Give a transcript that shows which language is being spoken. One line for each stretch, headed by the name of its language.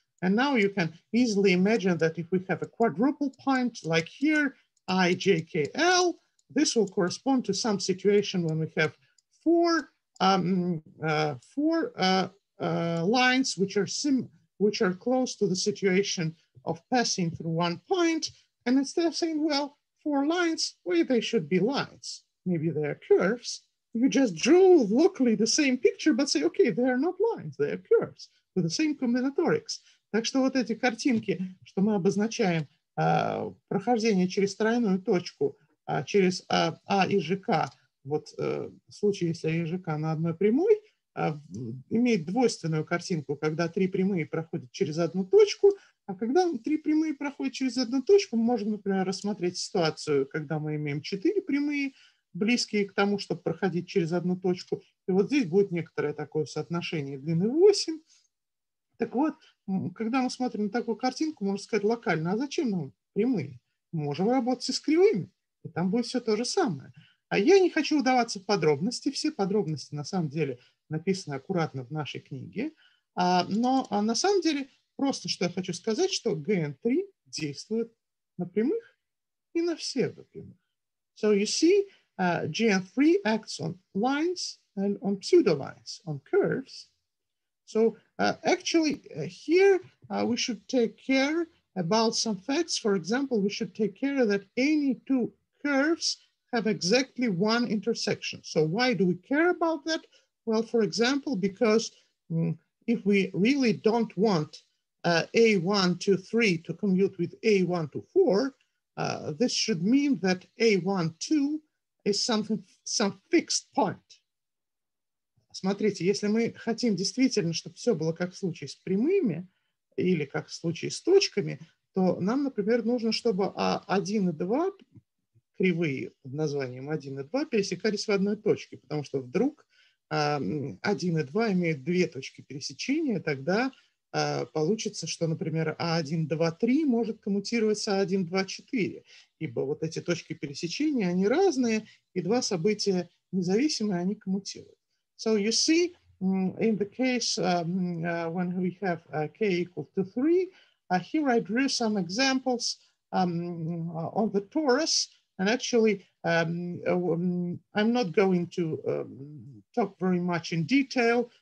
English: And now you can easily imagine that if we have a quadruple point like here, IJKL, this will correspond to some situation when we have four lines which are close to the situation of passing through one point. And instead of saying, well, four lines, well, they should be lines. Maybe they are curves. You just drew locally the same picture, but say, okay, they are not lines, they are curves with the same combinatorics.
Russian: Так что вот эти картинки, что мы обозначаем прохождение через тройную точку, через А и ЖК, вот в случае, если А и ЖК на одной прямой, имеет двойственную картинку, когда три прямые проходят через одну точку, а когда три прямые проходят через одну точку, мы можем, например, рассмотреть ситуацию, когда мы имеем четыре прямые, близкие к тому, чтобы проходить через одну точку. И вот здесь будет некоторое такое соотношение длины 8. Так вот, когда мы смотрим на такую картинку, можно сказать локально, а зачем нам прямые? Мы можем работать и с кривыми, и там будет все то же самое. А я не хочу вдаваться в подробности. Все подробности, на самом деле, написаны аккуратно в нашей книге. Но на самом деле, просто что я хочу сказать, что GN3 действует на прямых и на всех прямых.
English: So you see, GN3 acts on lines and on pseudo lines, on curves. So actually here we should take care about some facts. For example, we should take care that any two curves have exactly one intersection. So why do we care about that? Well, for example, because if we really don't want A1 to 3 to commute with A1 to 4, this should mean that A1 2 is something, some fixed point.
Russian: Смотрите, если мы хотим действительно, чтобы все было как в случае с прямыми или как в случае с точками, то нам, например, нужно, чтобы 1 и 2 кривые под названием 1 и 2 пересекались в одной точке, потому что вдруг 1 и 2 имеют две точки пересечения, тогда получится, что, например, А1, 2, 3 может коммутировать с А1, 2, 4, ибо вот эти точки пересечения, они разные, и два события независимые, они коммутируют.
English: So you see, in the case when we have k equal to 3, here I drew some examples on the torus, and actually I'm not going to talk very much in detail.